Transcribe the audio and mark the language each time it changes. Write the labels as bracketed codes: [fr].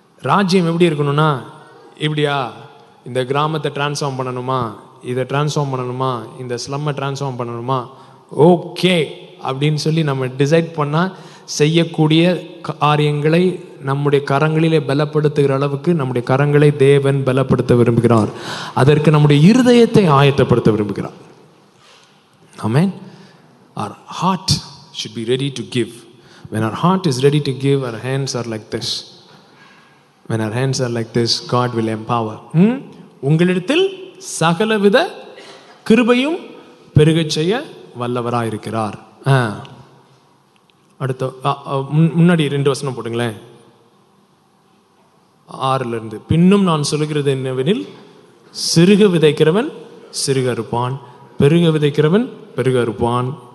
[ta] ராஜ்யம் எப்படி இருக்கணும்னா இப்படியா, இந்த கிராமத்தை டிரான்ஸ்ஃபார்ம் பண்ணணுமா, இதை டிரான்ஸ்ஃபார்ம் பண்ணணுமா, இந்த ஸ்லம்மை டிரான்ஸ்ஃபார்ம் பண்ணணுமா, ஓகே அப்படின்னு சொல்லி நம்ம டிசைட் பண்ணால் செய்யக்கூடிய காரியங்களை நம்முடைய கரங்களிலே பலப்படுத்துகிற அளவுக்கு நம்முடைய கரங்களை தேவன் பலப்படுத்த விரும்புகிறார். அதற்கு நம்முடைய இருதயத்தை ஆயத்தப்படுத்த விரும்புகிறார். [en] ஆமென். Our heart should be ready to give. When our heart is ready to give, our hands are like this. When our hands are like this, God will empower. [ta] உங்களிடத்தில் சகலவித கிருபையும் பெருகச் செய்ய வல்லவராயிருக்கிறார். அடுத்த முன்னாடி ரெண்டு வசனம் போடுங்களேன், ஆறிலிருந்து. பின்னும் நான் சொல்கிறது என்னவெனில், சிறுக விதைக்கிறவன் சிறுக அறுப்பான், பெருக விதைக்கிறவன் பெருக அறுப்பான்.